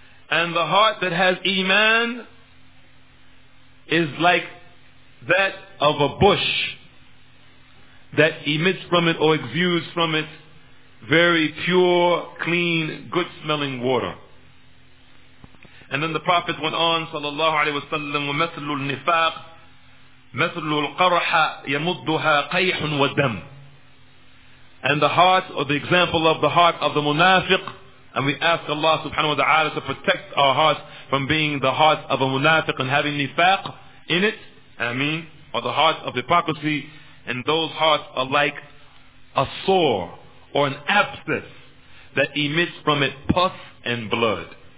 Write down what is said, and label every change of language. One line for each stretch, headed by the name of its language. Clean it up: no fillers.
English: And the heart that has iman is like that of a bush that emits from it or exudes from it very pure, clean, good-smelling water. And then the Prophet went on,
Arabic: صلى الله عليه وسلم, وَمَثَلُ النِّفَاقِ مثل القرحة يمدها قيح ودم.
English: And the heart, or the example of the heart of the munafiq, and we ask Allah subhanahu wa ta'ala to protect our hearts from being the heart of a munafiq and having nifaq in it, ameen, or the heart of hypocrisy, and those hearts are like a sore or an abscess that emits from it pus and blood.